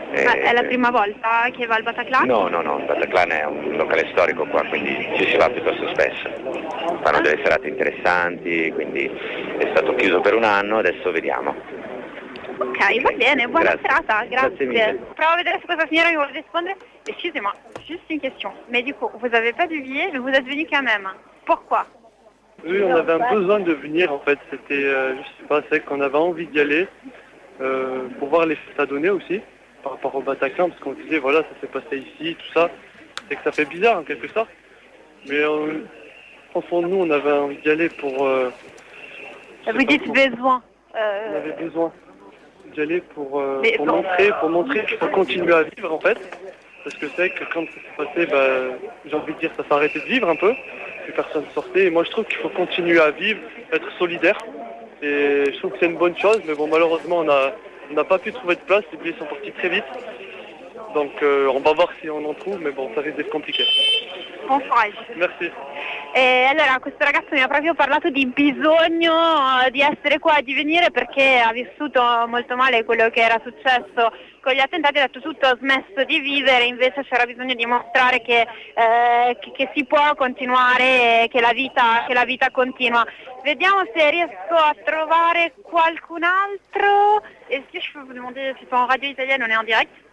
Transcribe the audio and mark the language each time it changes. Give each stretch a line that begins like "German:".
Italian: Ma è la prima volta che va al Bataclan? No, il Bataclan è un locale storico qua, quindi ci si va piuttosto spesso. Fanno delle serate interessanti, quindi è stato chiuso per un anno, adesso vediamo. Ok, va bene, buona grazie. Serata, grazie. Grazie. Provo a vedere se questa signora mi vuole rispondere.
French: Excusez-moi, juste une question. Medico, vous avez pas de billet, mais vous êtes venu quand même. Pourquoi? Oui, on avait un besoin de venir, en fait. C'était, je sais pas, c'est qu'on avait envie d'y aller. Pour voir les fêtes à donner aussi par rapport au Bataclan, parce qu'on disait voilà, ça s'est passé ici, tout ça, c'est que ça fait bizarre en quelque sorte, mais en fond nous on avait envie d'y aller pour vous dites comment. Besoin on avait besoin d'y aller pour montrer, pour montrer qu'il faut continuer à vivre en fait, parce que c'est que quand ça s'est passé, j'ai envie de dire ça s'est arrêté de vivre un peu, plus personne sortait, et moi je trouve qu'il faut continuer à vivre, être solidaire. Et je trouve que c'est une bonne chose, mais bon, malheureusement, on n'a pas pu trouver de place, les billets sont partis très vite. Donc on va voir si on en trouve, mais bon, ça risque d'être compliqué. Bon courage. Merci.
Italian: E allora questo ragazzo mi ha proprio parlato di bisogno di essere qua, di venire, perché ha vissuto molto male quello che era successo con gli attentati, ha detto tutto, ha smesso di vivere, invece c'era bisogno di mostrare che si può continuare, che la vita continua. Vediamo se riesco a trovare qualcun altro.
French: Est-ce que je peux vous demander si c'est en radio italienne, on est en direct?